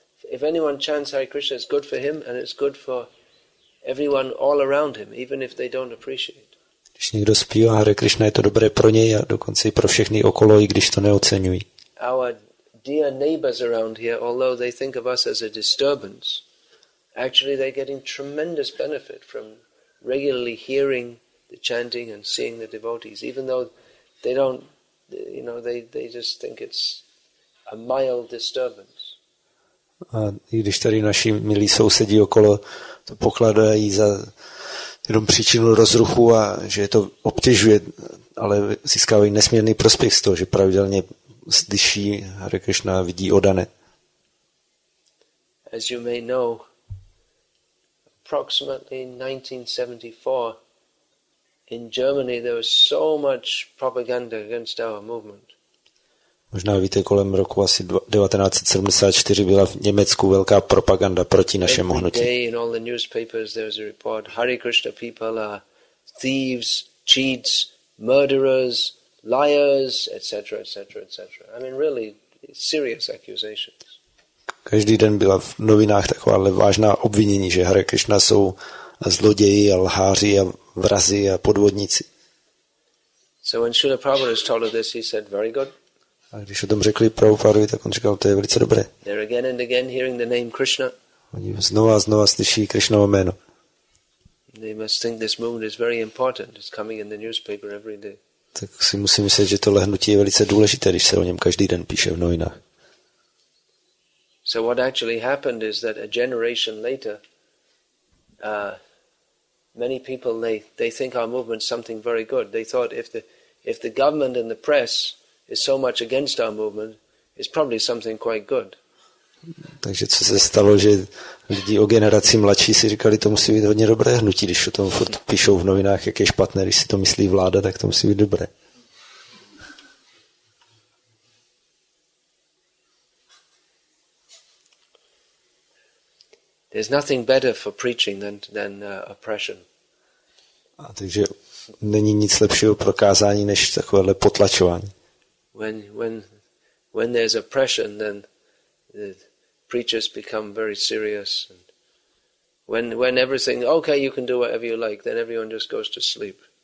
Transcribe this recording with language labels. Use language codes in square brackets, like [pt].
[en] If anyone chants Hare Krishna, it's good for him and it's good for everyone all around him, even if they don't appreciate. [cs] Když někdo zpívá Hare Krishna, je to dobré pro něj a dokonce i pro všechny okolo, i když to neocenují. [en] Our dear neighbors around here, although they think of us as a disturbance, actually they're getting tremendous benefit from regularly hearing the chanting and seeing the devotees, even though they don't, you know, they just think it's a mild disturbance. [cs] A i když tady naši milí sousedí okolo to pokladají za jenom příčinu rozruchu a že je to obtěžuje, ale získávají nesmírný prospěch z toho, že pravidelně slyší Hare Krishna, vidí odane. [en] As you may know, approximately 1974, in Germany there was so much propaganda against our movement. [cs] Možná víte, kolem roku asi 1974 byla v Německu velká propaganda proti našemu hnutí. [en] Every day in all the newspapers there was a report, Hare Krishna people are thieves, cheats, murderers, liars, etc., etc., etc. I mean really serious accusations. [cs] Každý den byla v novinách taková vážná obvinění, že Hare Krishna jsou zloději a lháři a vrazi a podvodníci. [en] So when Srila Prabhupada was told of this, he said, very good. [cs] A když o tom řekli Prabhupadovi, tak on říkal, to je velice dobré. [en] They're again and again hearing the name Krishna. [cs] Oni znova a znova slyší Krishnovo jméno. [en] They must think this movement is very important. It's coming in the newspaper every day. [cs] Tak si musím myslet, že tohle hnutí je velice důležité, když se o něm každý den píše v novinách. [en] So what actually happened is that a generation later, many people they think our movement is something very good. They thought if the government and the press is so much against our movement, it's probably something quite good. [cs] Takže co se stalo, že lidi o generaci mladší si říkali, to musí být hodně dobré hnutí, když o tom furt píšou v novinách, jak je špatné, když si to myslí vláda, tak to musí být dobré. [en] There's nothing better for preaching than oppression. [cs] A takže není nic lepšího pro kázání než takovéhle potlačování. [en] When there's oppression, then the preachers become very serious. And when everything okay, you can do whatever you like, then everyone just goes to sleep.